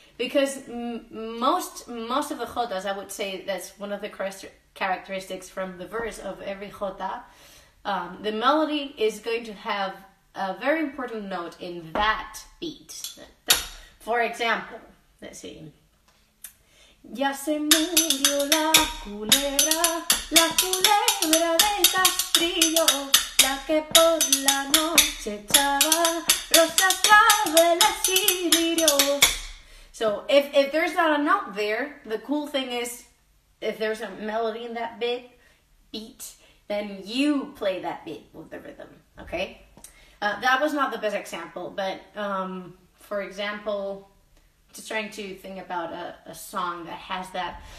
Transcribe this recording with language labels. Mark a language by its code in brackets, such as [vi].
[en] Because most of the jotas, I would say that's one of the characteristics from the verse of every jota. The melody is going to have a very important note in that beat. For example, let's see. [es] Ya se murió la culebra de castillo, la que por la noche echaba rosas claveles y lirios. [en] So if there's not a note there, the cool thing is if there's a melody in that beat, then you play that beat with the rhythm, okay? That was not the best example, but for example, just trying to think about a song that has that.